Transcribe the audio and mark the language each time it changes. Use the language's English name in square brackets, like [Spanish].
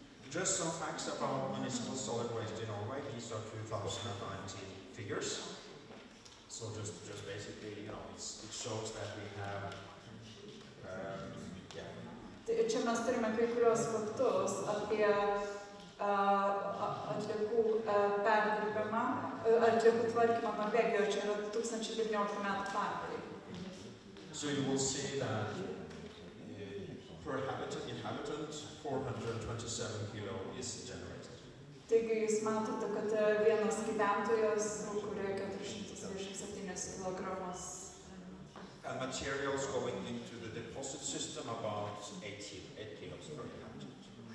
[English] Just some facts about municipal solid waste in Norway. These are 2019 figures. So just basically, you know, it shows that we have, yeah. [Lithuanian] Čia mes turime kai kurios faktus apie atliekų perdirbimą, atliekų tvarkymą Norvegijoje. Čia yra 2019 metų faktai. [English] So you will see that per inhabitant, 427 kilo is generated. [Lithuanian] Taigi jūs matote, kad vienas gyventojas sukuria 427 kilogramus. [English] And materials going into the deposit system about 8 kilos per inhabitant.